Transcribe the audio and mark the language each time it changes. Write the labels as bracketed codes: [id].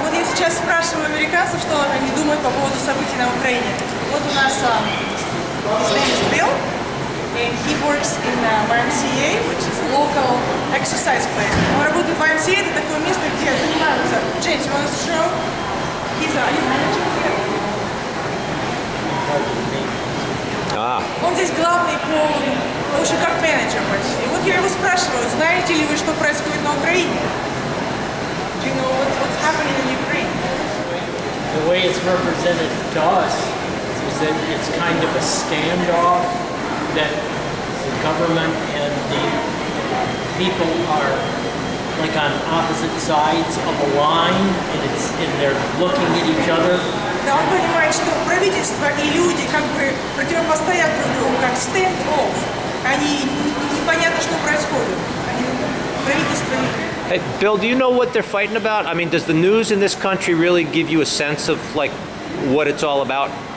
[ru] Вот я сейчас спрашиваю американцев, что они думают по поводу событий на Украине. Вот у нас [en] his name is Bill, and he works in YMCA, which is a local exercise place. [ru] Он работает в YMCA, это такое место, где занимаются. [en] James, you want to show? He's a manager here. [ru] Он здесь главный по, в общем, как менеджер почти. Вот я его спрашиваю, знаете ли вы, что происходит на Украине? [en] Do you know what's happening in Ukraine? The way it's represented to us is that it's kind of a standoff that the government and the people are like on opposite sides of a line, and it's and they're looking at each other. [ru] Да, он понимает, что правительство и люди как бы противопостоят друг другу, как standoff. Они непонятно, что происходит. Правительство. [en] Hey, Bill, do you know what they're fighting about? I mean, does the news in this country really give you a sense of, like, what it's all about?